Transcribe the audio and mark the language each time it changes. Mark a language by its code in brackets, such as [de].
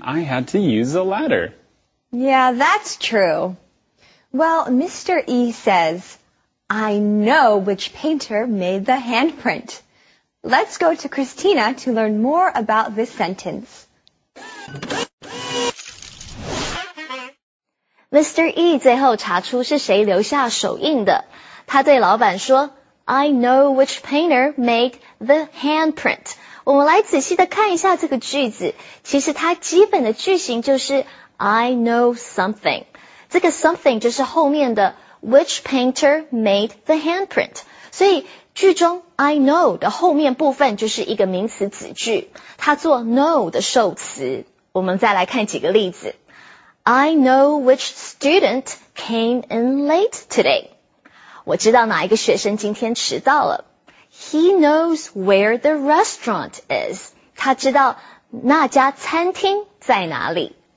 [en] I had to use a ladder. Yeah, that's true. Well, Mr. E says, I know which painter made the handprint. Let's go to Christina to learn more about this sentence. Mr. [zh] E 最后查出是谁留下手印的。他对老板说 , [en] I know which painter made the handprint. [zh] 我们来仔细的看一下这个句子。其实它基本的句型就是 , [en] I know something. [zh] 这个 something 就是后面的 , [en] which painter made the handprint. [zh] 所以句中 , [en] I know [zh] 的后面部分就是一个名词子句。它做 know 的受词。我们再来看几个例子。 [en] I know which student came in late today. [zh] 我知道哪一个学生今天迟到了。 [en] He knows where the restaurant is. [zh] 他知道那家餐厅在哪里。